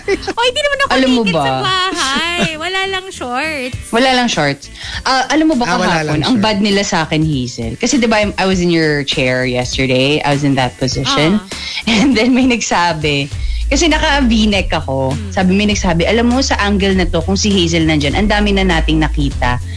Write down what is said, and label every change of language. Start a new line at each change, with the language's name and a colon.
Filipino: Oh, hindi naman ako alam naked sa bahay. Wala lang shorts. Wala lang shorts. Alam mo ba kahapon, ang bad nila sa akin, Hazel. Kasi diba,
English: I was in your chair yesterday. I was in that position. And then
Filipino: may nagsabi, kasi naka-v-neck ako. Sabi, may nagsabi, alam mo sa angle na to, kung si Hazel nandyan, ang dami na nating nakita.